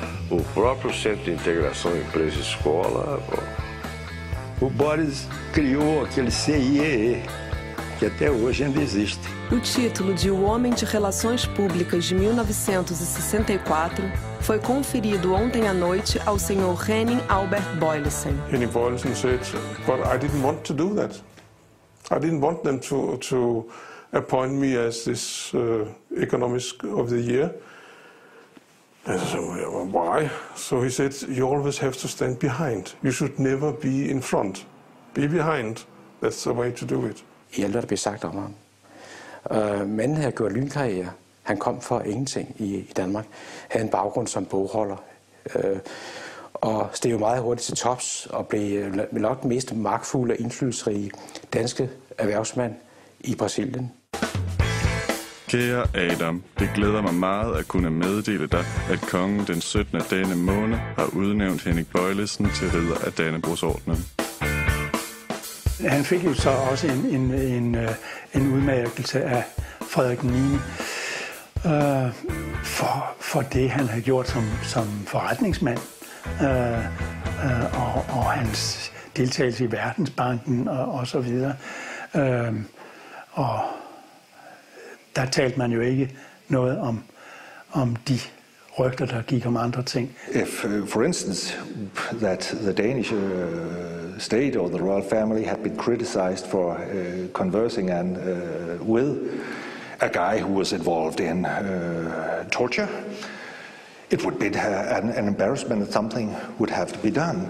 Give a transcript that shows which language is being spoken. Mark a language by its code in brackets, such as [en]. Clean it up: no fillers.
[pt] O próprio Centro de Integração Empresa Escola. O Boris criou aquele CIEE, que até hoje ainda existe. O título de O Homem de Relações Públicas de 1964 foi conferido ontem à noite ao senhor Henning Albert Bollesen. Henning Bollesen disse, [en] "But I didn't want to do that. I didn't want them to appoint me as this economist of the year." And so, why? So he said, "You always have to stand behind. You should never be in front. Be behind. That's the way to do it." [da] I alt hvad der blev sagt om ham. Manden havde gjort lynkarriere. Han kom for ingenting i Danmark. Havde en baggrund som bogholder. Og steg jo meget hurtigt til tops og blev nok den mest magtfulde og indflydelsesrige danske erhvervsmand i Brasilien. Kære Adam, det glæder mig meget at kunne meddele dig, at kongen den 17. denne måned har udnævnt Henning Bollesen til ridder af Dannebrogsordenen. Han fik jo så også en udmærkelse af Frederik 9. For det, han har gjort som forretningsmand. og hans deltagelse i Verdensbanken og så videre. Og der talte man jo ikke noget om de rygter, der gik om andre ting. [en] If, for instance, that the Danish state or the royal family had been criticized for conversing and with a guy who was involved in torture, it would be an embarrassment that something would have to be done.